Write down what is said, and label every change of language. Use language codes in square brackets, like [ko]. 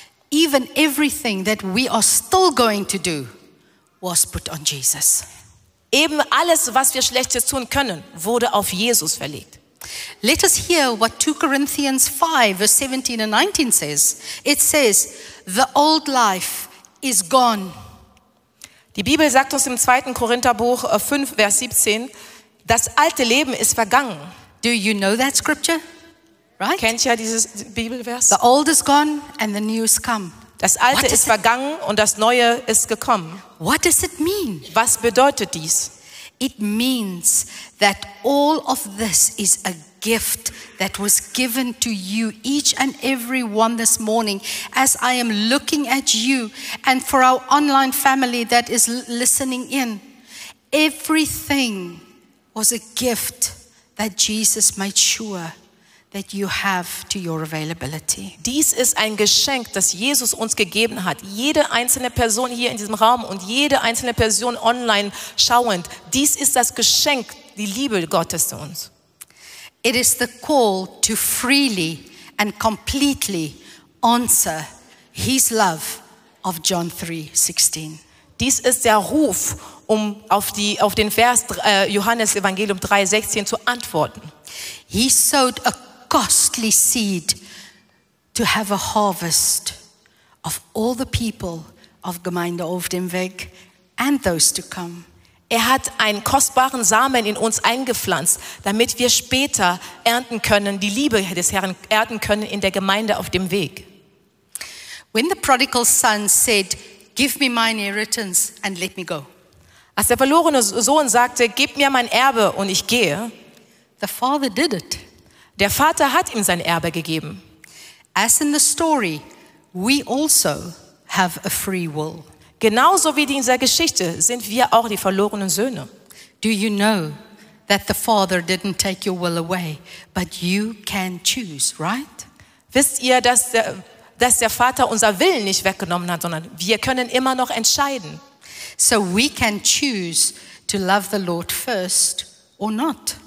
[en] Even everything that we are still going to do was put on Jesus. [de] Eben alles, was wir Schlechtes tun können, wurde auf Jesus verlegt. [en] Let us hear what 2 Corinthians 5, verse 17 and 19 says. It says, the old life is gone. [de] Die Bibel sagt uns im 2. Korintherbuch 5, Vers 17, das alte Leben ist vergangen. [en] Do you know that scripture? Right? [de] Kennt ihr dieses Bibelvers? [en] The old is gone and the new is come. [de] Das alte ist vergangen und das neue ist gekommen. [en] What does it mean? [de] Was bedeutet dies? [en] It means that all of this is a gift that was given to you, each and every one this morning. As I am looking at you and for our online family that is listening in, everything was a gift that Jesus made sure that you have to your availability. [de] Dies ist ein Geschenk, das Jesus uns gegeben hat. Jede einzelne Person hier in diesem Raum und jede einzelne Person online schauend, dies ist das Geschenk, die Liebe Gottes zu uns. [en] It is the call to freely and completely answer his love of John 3:16. [de] Dies ist der Ruf, um auf den Vers Johannes Evangelium 3:16 zu antworten. [en] He sowed a costly seed to have a harvest of all the people of Gemeinde auf dem Weg and those to come. [de] Er hat einen kostbaren Samen in uns eingepflanzt, damit wir später ernten können, die Liebe des Herrn ernten können in der Gemeinde auf dem Weg. [en] When the prodigal son said, give me my inheritance and let me go. [de] Als der verlorene Sohn sagte, gib mir mein Erbe und ich gehe. [en] The father did it. [de] Der Vater hat ihm sein Erbe gegeben. [en] As in the story, we also have a free will. [de] Genauso wie in dieser Geschichte sind wir auch die verlorenen Söhne. [en] Do you know that the father didn't take your will away, but you can choose, right? [de] Wisst ihr, dass der Vater unser Willen nicht weggenommen hat, sondern wir können immer noch entscheiden. [en] So we can choose to love the Lord first or not.